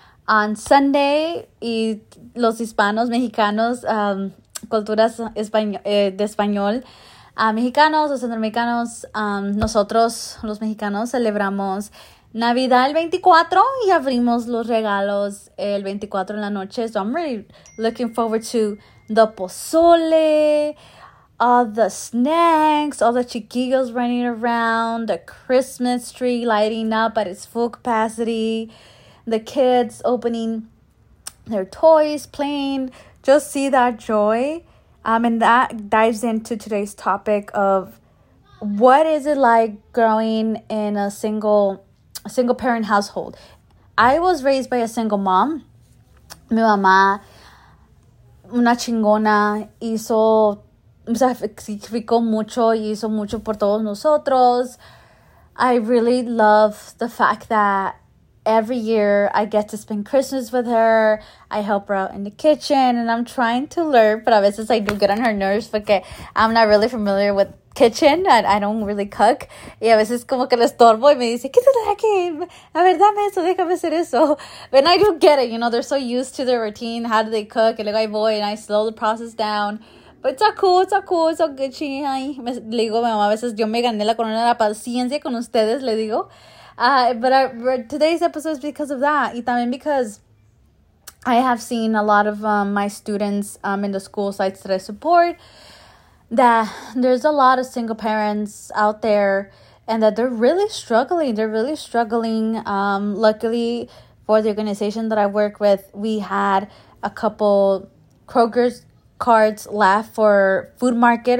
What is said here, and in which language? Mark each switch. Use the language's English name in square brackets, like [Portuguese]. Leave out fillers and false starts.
[English] On Sunday, [Spanish] y los hispanos mexicanos, culturas de español, mexicanos o centroamericanos, nosotros los mexicanos celebramos Navidad el 24 y abrimos los regalos el 24 en la noche. [English] So I'm really looking forward to the pozole, all the snacks, all the chiquillos running around, the Christmas tree lighting up at its full capacity, the kids opening their toys, playing. Just see that joy. And that dives into today's topic of what is it like growing in a single parent household. I was raised by a single mom. [Spanish] Mi mamá, una chingona, hizo, o sea, sacrificó mucho y hizo mucho por todos nosotros. [English] I really love the fact that every year I get to spend Christmas with her. I help her out in the kitchen and I'm trying to learn, but [Spanish] a veces [English] I do get on her nerves [Spanish] porque [English] I'm not really familiar with kitchen and I don't really cook. [Spanish] Y a veces como que le estorbo y me dice, quítate aquí, a ver, dame eso, déjame hacer eso. [English] But I do get it, you know, they're so used to their routine, how do they cook, [Spanish] y luego [English] I voy and I slow the process down. But it's all cool, it's all good. [Spanish] She, ay, me, le digo, mamá, a veces yo me gané la corona de la paciencia con ustedes, le digo. [English] But today's episode is because of that. [Spanish] Y también [English] because I have seen a lot of my students in the school sites that I support, that there's a lot of single parents out there and that they're really struggling. Luckily for the organization that I work with, we had a couple Kroger's cards left for food market.